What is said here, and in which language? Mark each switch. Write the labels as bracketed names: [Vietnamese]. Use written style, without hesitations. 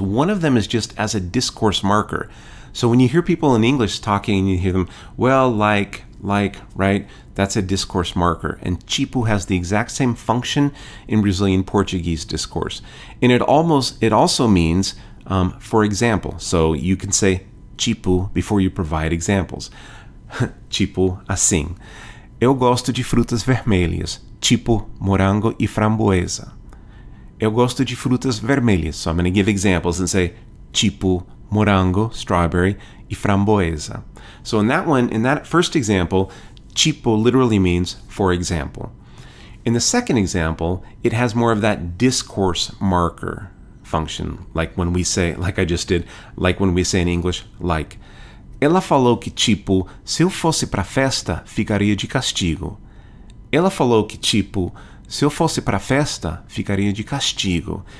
[English] One of them is just as a discourse marker. So when you hear people in English talking, you hear them, well, like, right? That's a discourse marker. And tipo has the exact same function in Brazilian Portuguese discourse. And it also means, for example, so you can say tipo before you provide examples. [Portuguese] Tipo assim. Eu gosto de frutas vermelhas, tipo morango e framboesa. Eu gosto de frutas vermelhas. [English] So I'm going to give examples and say, tipo morango, strawberry, e framboesa. So in that one, in that first example, tipo literally means for example. In the second example, it has more of that discourse marker function, like when we say, like I just did, like when we say in English, like. [Portuguese] Ela falou que, tipo, se eu fosse pra festa, ficaria de castigo. Ela falou que, tipo, se eu fosse pra festa, ficaria de castigo.